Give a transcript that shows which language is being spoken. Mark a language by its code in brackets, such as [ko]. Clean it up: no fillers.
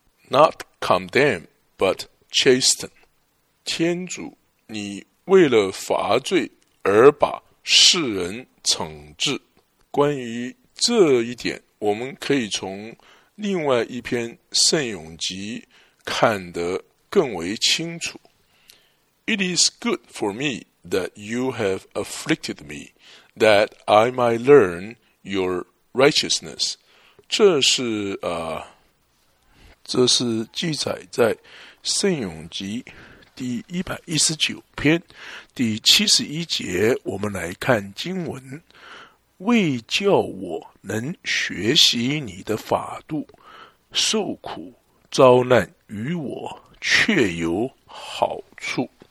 [en] Not condemn but chasten， [zh] 天主，你为了罚罪而把世人惩治。关于这一点，我们可以从另外一篇圣咏集看得更为清楚。 [en] It is good for me that you have afflicted me, that I might learn your righteousness。 [zh] 这是记载在圣咏集第119篇第71节。我们来看经文，为叫我能学习你的法度，受苦遭难于我却有好处。